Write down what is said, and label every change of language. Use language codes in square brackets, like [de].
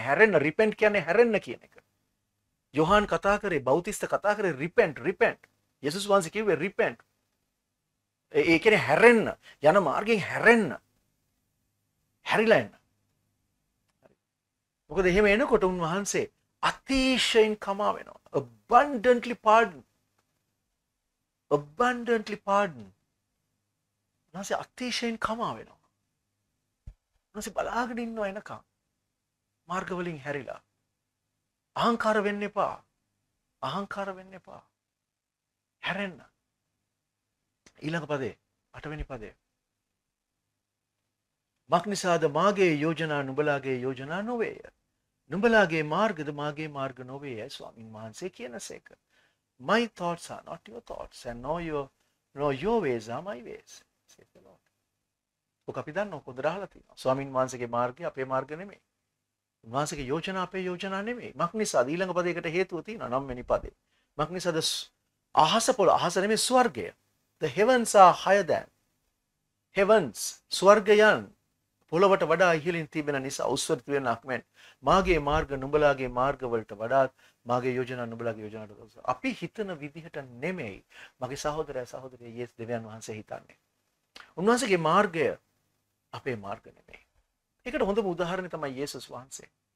[si] හැරෙන්න, රිපෙන්ට් කියන්නේ හැරෙන්න කියන එක. යොහාන් කතා කරේ, බෞතිස්ත කතා කරේ රිපෙන්ට්, රිපෙන්ට්. යේසුස් වහන්සේ කිව්වේ රිපෙන්ට්. ඒ කියන්නේ හැරෙන්න, යන මාර්ගයෙන් හැරෙන්න, හැරිලා එන්න. මොකද එහෙම එනකොට උන්වහන්සේ අතිශයින් කමා වෙනවා. [en] abundantly pardon, abundantly pardon. [si] උන්වහන්සේ අතිශයින් කමා වෙනවා. උන්වහන්සේ බලාගෙන ඉන්නවා එනකම් මාර්ගවලින් හැරිලා. අහංකාර වෙන්න එපා, අහංකාර වෙන්න එපා, හැරෙන්න. ඊළඟ පදේ 8 පදේ මක්නිසාද මාගේ යෝජනා නුඹලාගේ යෝජනා නොවේය, නුඹලාගේ මාර්ගද මාගේ මාර්ග නොවේය ස්වාමීන් වහන්සේ කියනසේක. [en] My thoughts are not your thoughts and nor your ways are my ways said the Lord. [si] ඔක අපි දන්නව කොදරහලා තියෙනවා. ස්වාමීන් වහන්සේගේ මාර්ගය අපේ මාර්ග නෙමෙයි. උන්වහන්සේගේ යෝජනා අපේ යෝජනා නෙමෙයි. මක්නිසාද ඊළඟ පදයකට හේතුව තියෙනවා 9 පදේ. මක්නිසාද අහස පොළ, අහස නෙමෙයි ස්වර්ගය. [en] The heavens are higher than heavens. [si] ස්වර්ගයන් පොළවට වඩා ඉහළින් තිබෙන නිසා උස්වර්ති වෙන අක්මෙන්. මාගේ මාර්ග නුඹලාගේ මාර්ගවලට වඩා මාගේ යෝජනා නුඹලාගේ යෝජනාට වඩා. අපි හිතන විදිහට නෙමෙයි මගේ සහෝදරයා සහෝදරිය යේස් දෙවියන් වහන්සේ හිතන්නේ. උන්වහන්සේගේ මාර්ගය අපේ මාර්ග නෙමෙයි. ඒකට හොඳම උදාහරණය තමයි යේසුස් වහන්සේ.